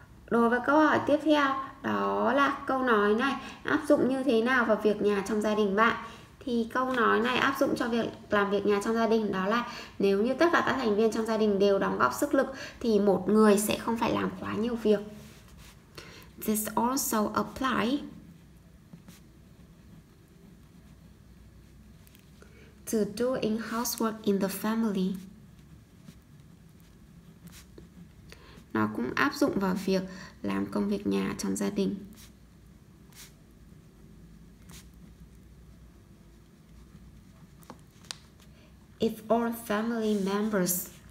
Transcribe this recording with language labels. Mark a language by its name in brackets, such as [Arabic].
[Vietnamese] Đối với câu hỏi tiếp theo, đó là câu nói này áp dụng như thế nào vào việc nhà trong gia đình bạn? Thì câu nói này áp dụng cho việc làm việc nhà trong gia đình, đó là nếu như tất cả các thành viên trong gia đình đều đóng góp sức lực thì một người sẽ không phải làm quá nhiều việc. [English] This also apply to doing housework in the family. [Vietnamese] Nó cũng áp dụng vào việc làm công việc nhà trong gia đình. [English] If all family members